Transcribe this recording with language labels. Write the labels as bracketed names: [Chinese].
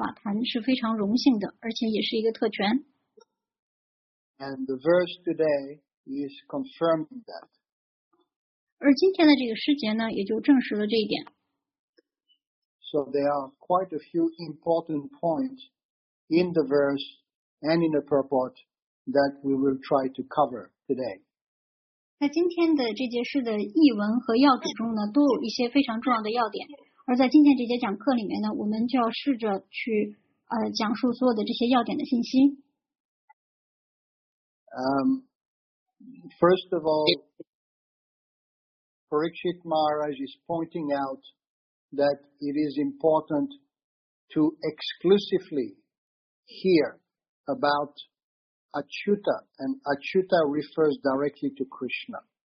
[Chinese] 能够讲述以及聆听圣典波迦瓦坛是非常荣幸的，而且也是一个特权。 [English] And the verse today is confirming that. [Chinese] 而今天的这个诗节呢，也就证实了这一点。 [English] So there are quite a few important points in the verse and in the purport that we will try to cover today. [Chinese] 在今天的这节诗的译文和要旨中呢，都有一些非常重要的要点。而在今天这节讲课里面呢，我们就要试着去讲述所有的这些要点的信息。 [English] First of all, Parikshit Maharaj is pointing out that it is important to exclusively hear about Achyuta, and Achyuta refers directly to Krishna.